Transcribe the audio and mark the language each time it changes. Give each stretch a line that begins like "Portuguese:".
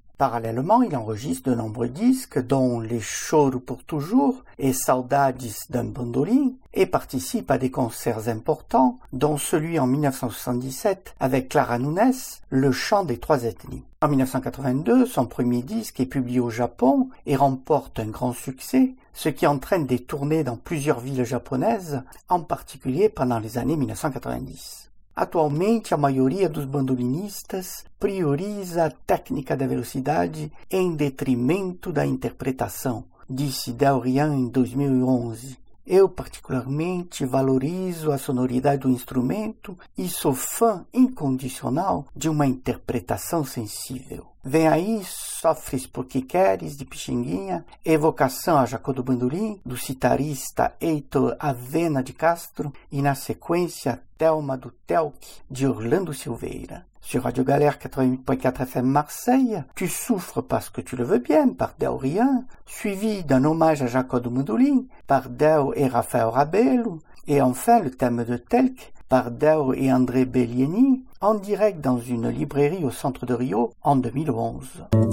French: Parallèlement, il enregistre de nombreux disques, dont Les Choros pour toujours et Saudades d'un bandolin, et participe à des concerts importants, dont celui en 1977 avec Clara Nunes, Le Chant des Trois Ethnies. En 1982, son premier disque est publié au Japon et remporte un grand succès, ce qui entraîne des tournées dans plusieurs villes japonaises, en particulier pendant les années 1990.
Portuguese: Atualmente, a maioria dos bandolinistas prioriza a técnica da velocidade em detrimento da interpretação, disse Deorian em 2011. Eu particularmente valorizo a sonoridade do instrumento e sou fã incondicional de uma interpretação sensível. Vem aí, Sofres Porque Queres, de Pixinguinha, evocação a Jacob Bandoulin, do citarista Heitor Avena de Castro, e na sequência, Thelma do Telk, de Orlando Silveira.
French: Sur Radio Galère 88.4 FM Marseille, Tu souffres parce que tu le veux bien, par Deorian, suivi d'un hommage à Jacob Bandoulin, par Deo et Raphaël Rabello, et enfin le thème de Telk, par Deo et André Bellieni, en direct dans une librairie au centre de Rio en 2011.